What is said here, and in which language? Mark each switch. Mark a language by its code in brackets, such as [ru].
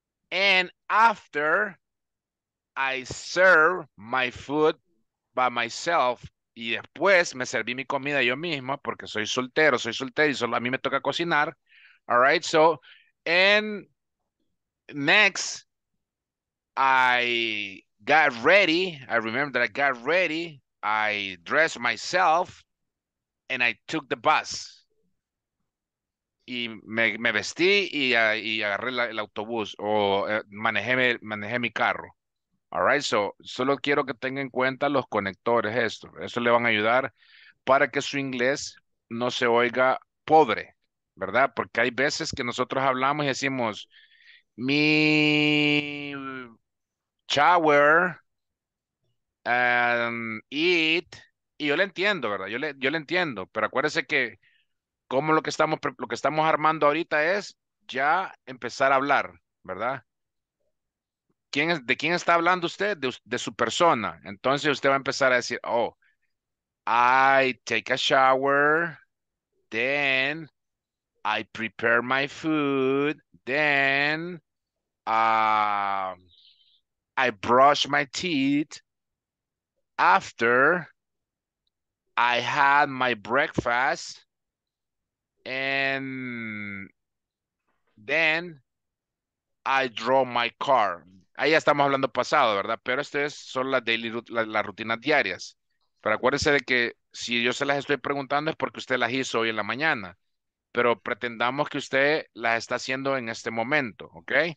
[en] And after, I serve my food by myself. [es] Y después me serví mi comida yo mismo porque soy soltero y solo a mí me toca cocinar. [en] All right, so, and next, I got ready. I remember that I got ready. I dressed myself and I took the bus. [es] Y me vestí y agarré el autobús o manejé mi carro. [en] All right, so [es] solo quiero que tenga en cuenta los conectores esto. Eso le van a ayudar para que su inglés no se oiga pobre, ¿verdad? Porque hay veces que nosotros hablamos y decimos, mi [en] shower and eat, [es] y yo le entiendo, ¿verdad? Yo le entiendo, pero acuérdese que como lo que estamos armando ahorita es ya empezar a hablar, ¿verdad? ¿De quién está hablando usted? De su persona. Entonces usted va a empezar a decir, [en] oh, I take a shower, then I prepare my food, then I brush my teeth, after I had my breakfast, and then I drove my car. [es] Ahí ya estamos hablando pasado, ¿verdad? Pero esto es solo las rutinas diarias. Pero acuérdense de que si yo se las estoy preguntando es porque usted las hizo hoy en la mañana. Pero pretendamos que usted las está haciendo en este momento, ¿ok?